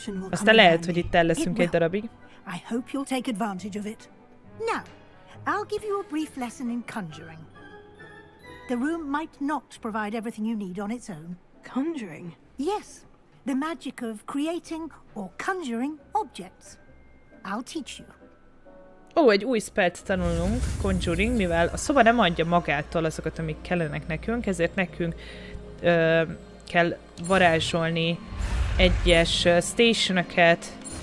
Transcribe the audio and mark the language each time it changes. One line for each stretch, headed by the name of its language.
Hungarian: Aztán lehet, hogy itt el leszünk egy darabig.
English: I hope you'll take advantage of it. Now, I'll give you a brief lesson in conjuring. The room might not provide everything you need on its own. Conjuring? Yes, the magic of creating or conjuring objects. I'll teach you.
Hungarian: Ó, egy új spellt tanulunk, conjuring, mivel a szoba nem adja magától azokat, amik kellenek nekünk, ezért nekünk kell varázsolni egyes stationeket.